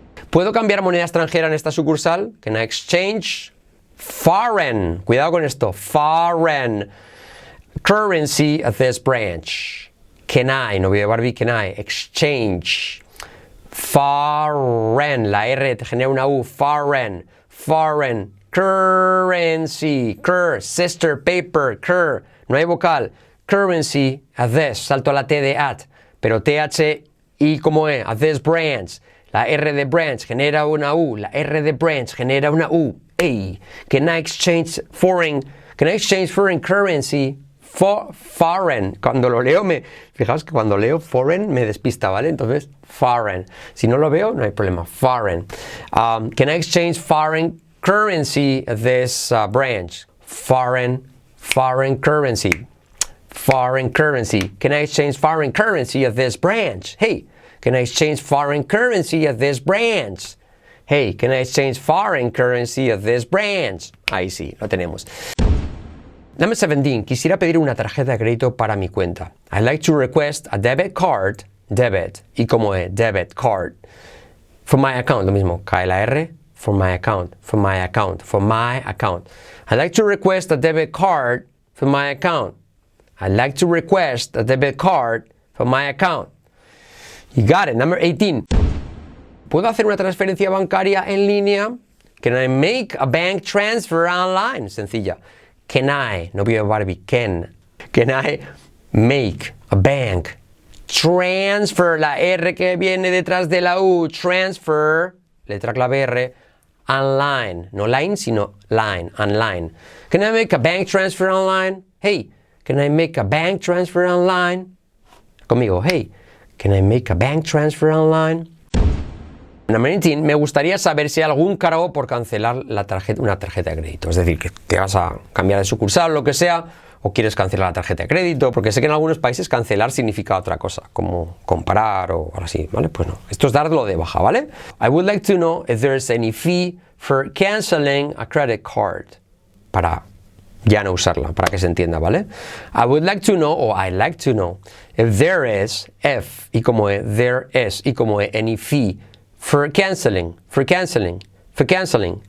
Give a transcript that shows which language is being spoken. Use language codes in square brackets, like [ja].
[es] ¿Puedo cambiar moneda extranjera en esta sucursal? [en] Can I exchange foreign? [es] Cuidado con esto. [en] Foreign currency at this branch. Can I? [es] No voy a llevar B. [en] Can I? Exchange. Foreign. [es] La R te genera una U. Foreign. Foreign. [en] Currency. Cur. Sister. Paper. Cur. [es] No hay vocal. [en] Currency at this. [es] Salto a la T de at. Pero TH y como E. [en] At this branch. [es] La R de branch genera una U. La R de branch genera una U. Ey. [en] Can I exchange foreign? Can I exchange foreign currency? Foreign. [es] Cuando lo leo, fijaos que cuando leo foreign me despista, ¿vale? Entonces, foreign. Si no lo veo, no hay problema. [en] Foreign. Can I exchange foreign currency at this branch? Foreign. Foreign currency. Foreign currency. Can I exchange foreign currency at this branch? Hey, can I exchange foreign currency at this branch? Hey, can I exchange foreign currency at this branch? [es] Ahí sí, lo tenemos. [en] Number 17. [es] Quisiera pedir una tarjeta de crédito para mi cuenta. [en] I'd like to request a debit card. Debit. [es] ¿Y cómo es? [en] Debit card. For my account. [es] Lo mismo. Cae la R. [en] For my account. For my account. For my account. I'd like to request a debit card for my account. I'd like to request a debit card for my account. You got it. Number 18. [es] ¿Puedo hacer una transferencia bancaria en línea? [en] Can I make a bank transfer online? [es] Sencilla. Can I, no voy a Barbie, [en] can I make a bank transfer, [es] la R que viene detrás de la U, transfer, letra clave R, online, no line, sino line, online. [en] Can I make a bank transfer online? Hey, can I make a bank transfer online? [es] Conmigo, [en] hey, can I make a bank transfer online? Number 19, [es] me gustaría saber si hay algún cargo por cancelar la tarjeta, una tarjeta de crédito. Es decir, que te vas a cambiar de sucursal o lo que sea, o quieres cancelar la tarjeta de crédito, porque sé que en algunos países cancelar significa otra cosa, como comprar o algo así, ¿vale? Pues no, esto es darlo de baja, ¿vale? [en] I would like to know if there's any fee for canceling a credit card. [es] Para ya no usarla, para que se entienda, ¿vale? [en] I would like to know, or I'd like to know, if there is, F, [es] y como es, [en] there is, y como es, any fee, for canceling, for canceling, for canceling.